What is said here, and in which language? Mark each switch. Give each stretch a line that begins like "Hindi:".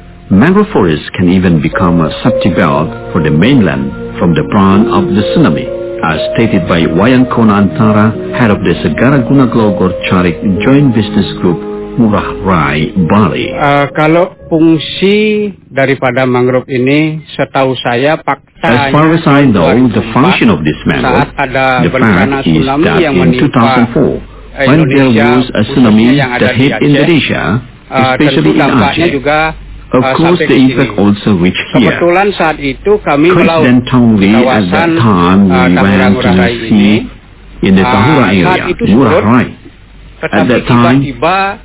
English: Mangrove forests can even become a safety belt for the mainland from the brunt of the tsunami, as stated by Wayan Konantara, head of the Segara Guna Glogor Carik Joint Business Group, Murah Rai, Bali.
Indonesian: Kalau fungsi daripada mangrove ini, setahu saya faktanya,
English: as far as I know, the function of this mangrove,
Indonesian: saat ada bencana tsunami yang menimpa
English: when there was a tsunami that hit Indonesia, especially in Aceh,
Indonesian: juga,
English: of course the impact also reached here.
Indonesian: Kebetulan saat itu kami melalui kawasan Tahura Murarai ini, saat itu surut, tetapi tiba-tiba